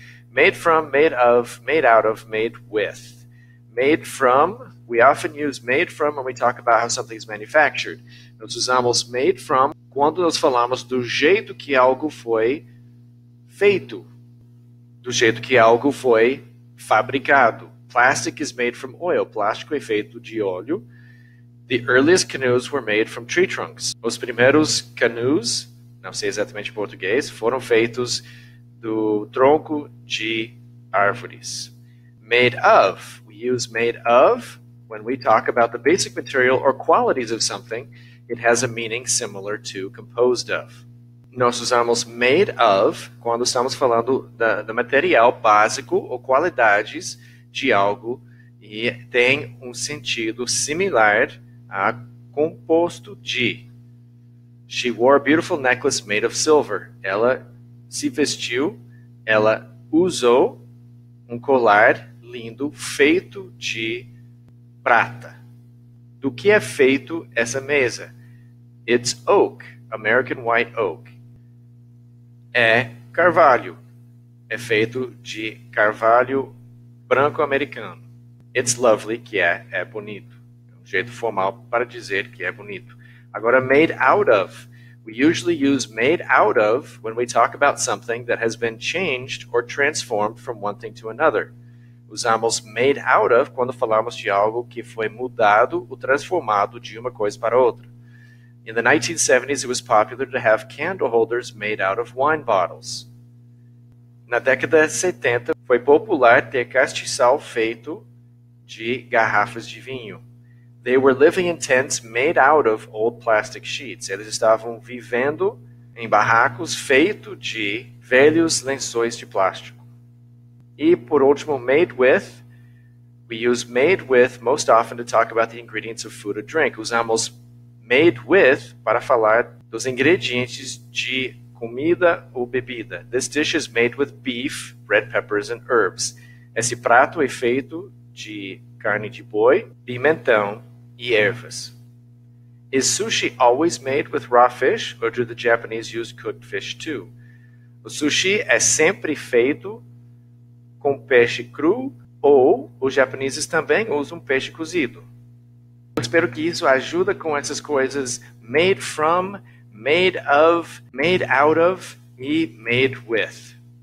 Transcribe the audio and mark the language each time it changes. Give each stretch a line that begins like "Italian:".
English: Made from, made of, made out of, made with. Made from, we often use made from when we talk about how something is manufactured.
Portuguese: Nós usamos made from quando nós falamos do jeito que algo foi feito, do jeito que algo foi fabricado.
English: Plastic is made from oil.
Portuguese: Plástico é feito de óleo.
English: The earliest canoes were made from tree trunks.
Portuguese: Os primeiros canoes, não sei exatamente em português, foram feitos do tronco de árvores.
English: Made of. We use made of when we talk about the basic material or qualities of something. It has a meaning similar to composed of.
Portuguese: Nós usamos made of quando estamos falando do material básico ou qualidades de algo e tem um sentido similar a composto de.
English: She wore a beautiful necklace made of silver.
Portuguese: Ela se vestiu, ela usou um colar lindo feito de prata. Do que é feito essa mesa?
English: It's oak, American white oak.
Portuguese: É carvalho. É feito de carvalho branco americano.
English: It's lovely,
Portuguese: que é bonito. É um jeito formal para dizer que é bonito. Agora, made out of.
English: We usually use made out of when we talk about something that has been changed or transformed from one thing to another.
Portuguese: Usamos made out of quando falamos de algo que foi mudado ou transformado de uma coisa para outra.
English: In the 1970s, it was popular to have candle holders made out of wine bottles.
Portuguese: Na década de 70, foi popular ter castiçal feito de garrafas de vinho.
English: They were living in tents made out of old plastic sheets.
Portuguese: Eles estavam vivendo em barracos feitos de velhos lençóis de plástico. E por último, made with.
English: We use made with most often to talk about the ingredients of food or drink.
Portuguese: Usamos made with para falar dos ingredientes de comida ou bebida.
English: This dish is made with beef, red peppers and herbs.
Portuguese: Esse prato é feito de carne de boi, pimentão e ervas.
English: Is sushi always made with raw fish or do the Japanese use cooked fish too?
Portuguese: O sushi é sempre feito com peixe cru ou os japoneses também usam peixe cozido? Eu espero que isso ajude com essas coisas made from, made of, made out of e made with.